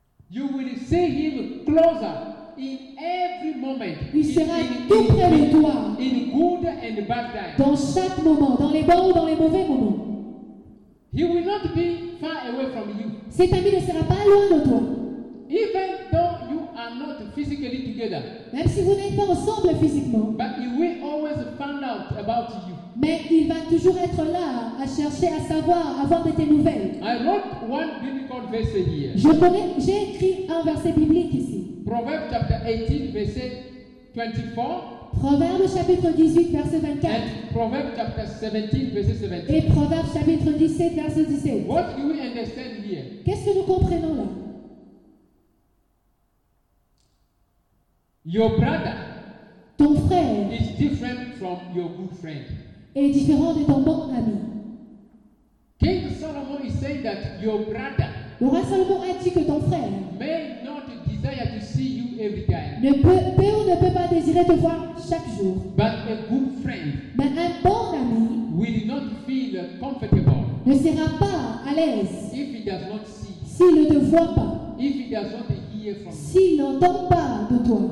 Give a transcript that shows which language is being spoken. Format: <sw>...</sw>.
<en>you will see him closer in every moment.</en> <fr>Il sera tout près de toi.</fr> <en>In good and bad times.</en> <fr>Dans chaque moment, dans les bons ou dans les mauvais moments.</fr> <en>He will not be far away from you.</en> <fr>Cet ami ne sera pas loin de toi.</fr> <en>Even though you are not physically together.</en> <fr>Même si vous n'êtes pas ensemble physiquement.</fr> <en>But he will always find out about you.</en> <fr>Mais il va toujours être là à chercher à savoir, à avoir de tes nouvelles.</fr> <en>I wrote one biblical verse here.</en> <fr>J'ai écrit un verset biblique ici.</fr> <en>Proverbs chapter 18, verset 24.</en> <fr>Proverbe chapitre 18, verset 24. And Proverbe chapitre 17, verset 17. Et Proverbe chapitre 17, verset 17.</fr> <en>What do we understand here?</en> <fr>Qu'est-ce que nous comprenons là?</fr> <en>Your brother,</en> <fr>ton frère,</fr> <en>is different from your good friend.</en> <fr>Est différent de ton bon ami.</fr> <en>King Solomon is saying that your brother,</en> <fr>le roi Salomon a dit que ton frère,</fr> <en>may not desire to see you every time.</en> <fr>Ne peut ou ne peut pas désirer te voir chaque jour.</fr> <en>But a good friend,</en> <fr>mais un bon ami,</fr> <en>will not feel comfortable.</en> <fr>Ne sera pas à l'aise.</fr> <en>If he does not see,</en> <fr>s'il ne te voit pas.</fr> <en>If he does not hear from,</en> <fr>s'il n'entend pas de toi.</fr>